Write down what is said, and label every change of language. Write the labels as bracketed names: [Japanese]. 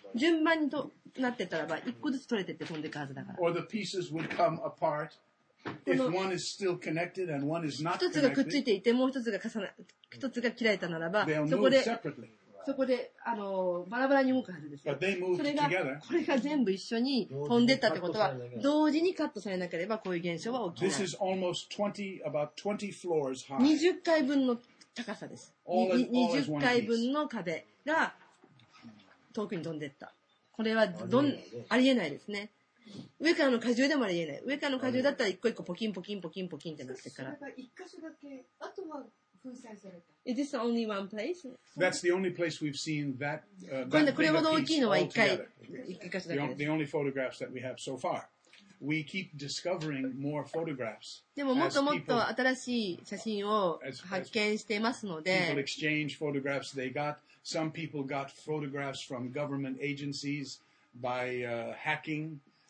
[Japanese] 順番にとなってたらば、一個ずつ取れてって飛んでいくはずだから。 [English] Or the pieces would come apart if one is still connected and one is not connected. [Japanese] 一つがくっついていて、もう一つが重な、一つが切られたならば、そこでバラバラに動くはずです。それがこれが全部一緒に飛んでったってことは、同時にカットされなければこういう現象は起きない。 [English] This is almost 20 floors high. [Japanese] 20階分の高さです。 20階分の壁が遠くに飛んでった。これはありえないですね。上からの荷重でもありえない。上からの荷重だったら一個一個ポキンポキンポキンポキンってなってから。一箇所だけ、あとは。 [English] Is this the only one place? That's the only place we've seen that. [Japanese] これほど大きいのは一回、一箇所だけ。 [English] The only photographs that we have so far. We keep discovering more photographs. [Japanese] でももっともっと新しい写真を発見していますので。 [English] People exchange photographs they got. Some people got photographs from government agencies by hacking.